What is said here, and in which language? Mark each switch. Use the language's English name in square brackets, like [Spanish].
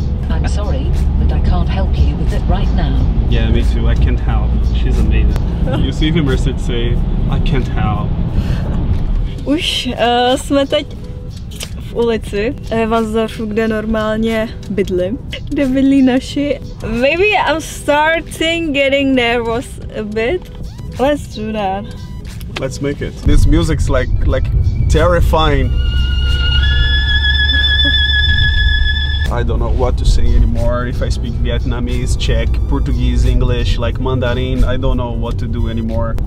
[English] I'm sorry, but I can't help you with it right now. Yeah, me too. I can't help. She's amazing. You see even Mercedes say, I can't help. [Czech] Už jsme teď v ulici Evazoru, kde normálně bydlím. Kde bydlí naši. [English] Maybe I'm starting getting nervous a bit. Let's do that. Let's make it. This music's like terrifying. I don't know what to say anymore. If I speak Vietnamese, Czech, Portuguese, English, like Mandarin, I don't know what to do anymore.